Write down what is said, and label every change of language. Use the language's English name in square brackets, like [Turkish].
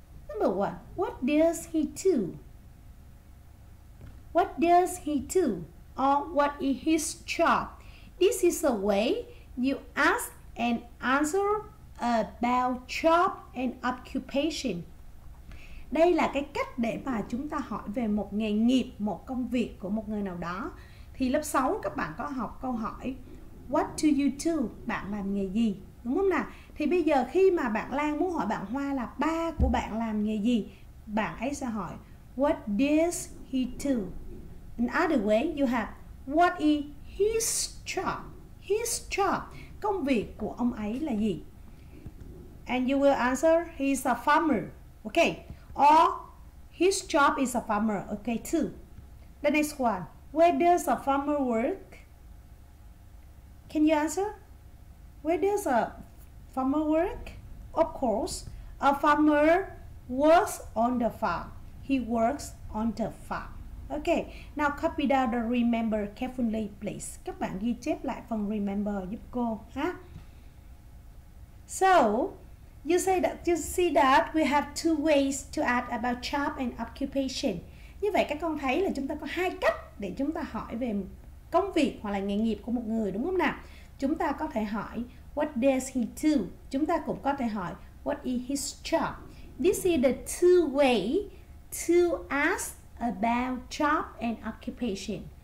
[English] Number one, what does he do? What does he do? Or what is his job? This is a way you ask and answer about job and occupation. [Vietnamese] Đây là cái cách để mà chúng ta hỏi về một nghề nghiệp, một công việc của một người nào đó. Thì lớp 6 các bạn có học câu hỏi [English] what do you do? [Vietnamese] Bạn làm nghề gì? Đúng không nào? Thì bây giờ khi mà bạn Lan muốn hỏi bạn Hoa là ba của bạn làm nghề gì, bạn ấy sẽ hỏi [English] what does he do? In other way, you have what is his job? His job, [Vietnamese] công việc của ông ấy là gì? [English] And you will answer, he's a farmer. Okay. Or, his job is a farmer. Okay, too. The next one. Where does a farmer work? Can you answer? Where does a farmer work? Of course, a farmer works on the farm. He works on the farm. Okay, now copy down the remember carefully, please. [Vietnamese] Các bạn ghi chép lại phần remember giúp cô ha. [English] So, you say that you see that we have two ways to ask about job and occupation. [Vietnamese] Như vậy các con thấy là chúng ta có hai cách để chúng ta hỏi về công việc hoặc là nghề nghiệp của một người, đúng không nào? Chúng ta có thể hỏi [English] what does he do? [Vietnamese] Chúng ta cũng có thể hỏi [English] what is his job? This is the two way to ask about job and occupation.